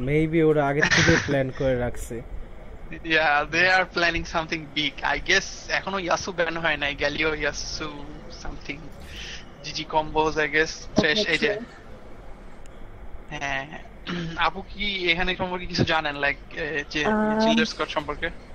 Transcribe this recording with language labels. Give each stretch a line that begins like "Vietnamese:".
Bangla: Maybe ওরা আগে থেকে প্ল্যান করে রাখছে.
English: Yeah, they are planning something big. I guess
Bangla: এখনো Yasuo ban হয় নাই,
English: Galio Yasuo something. GG combos I guess Thresh AJ.
Bangla: হ্যাঁ আপু কি এখানে সম্পর্কে কিছু জানেন, লাইক যে চিলার স্কোয়াড সম্পর্কে?